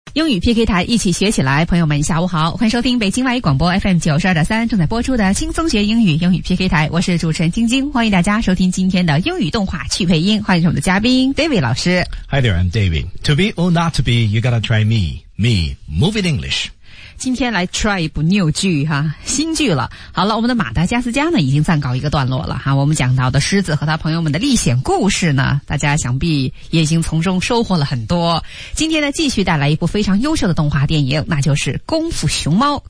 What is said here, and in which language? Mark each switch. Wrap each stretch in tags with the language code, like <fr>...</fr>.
<zh>英语 PK 台一起学起来，朋友们下午好，欢迎收听北京外语广播 FM92.3 正在播出的轻松学英语英语 PK 台，我是主持人晶晶，欢迎大家收听今天的英语动画趣配音，欢迎我们的嘉宾 David 老师。</zh> <en>Hi there, I'm David. To be or not to be, you gotta try me. Me, move it English.</en> <zh>今天来 try 一部 new 剧哈，新剧了。好了，我们的马达加斯加呢已经暂告一个段落了哈。我们讲到的狮子和他朋友们的历险故事呢，大家想必也已经从中收获了很多。今天呢继续带来一部非常优秀的动画电影，那就是功夫熊猫</zh>